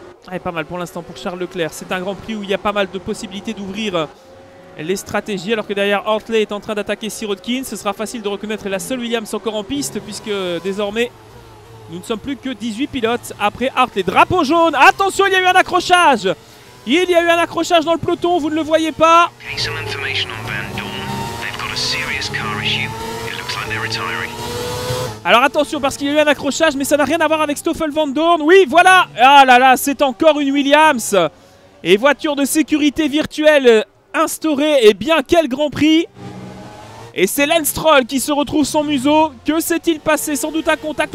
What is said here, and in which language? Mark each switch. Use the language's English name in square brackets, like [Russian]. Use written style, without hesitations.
[French] Ouais, pas mal pour l'instant pour Charles Leclerc. C'est un Grand Prix où il y a pas mal de possibilités d'ouvrir les stratégies, alors que derrière Hartley est en train d'attaquer Sirotkin, ce sera facile de reconnaître la seule Williams encore en piste, puisque désormais, nous ne sommes plus que 18 pilotes après Hartley. Drapeau jaune, attention, il y a eu un accrochage. Il y a eu un accrochage dans le peloton, vous ne le voyez pas. [English] Okay, some information on Van Dorn. They've got a serious car issue. It looks like retiring. [French] Alors attention, parce qu'il y a eu un accrochage, mais ça n'a rien à voir avec Stoffel Vandoorne. Oui, voilà. Ah là là, c'est encore une Williams. Et voiture de sécurité virtuelle instaurée. Et bien, quel grand prix. Et c'est Lance Stroll qui se retrouve sans museau. Que s'est-il passé? Sans doute un contact.